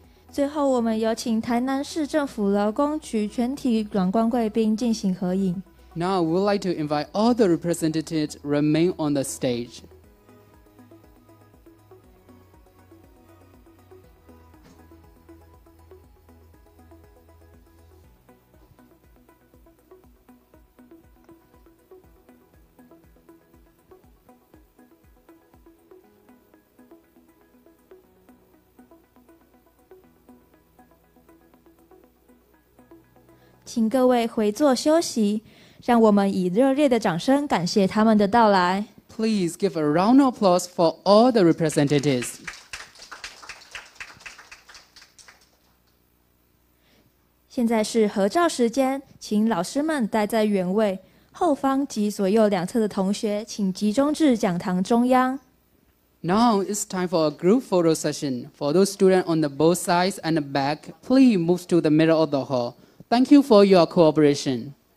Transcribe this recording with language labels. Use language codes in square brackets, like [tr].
[zh] 最后，我们有请台南市政府劳工局全体软官贵宾进行合影。 [en] Now, we'd like to invite all the representatives remain on the stage. [zh] 请各位回座休息，让我们以热烈的掌声感谢他们的到来。 [en] Please give a round of applause for all the representatives. [zh] 现在是合照时间，请老师们待在原位，后方及左右两侧的同学请集中至讲堂中央。 [en] Now it's time for a group photo session. For those students on the both sides and the back, please move to the middle of the hall. Thank you for your cooperation.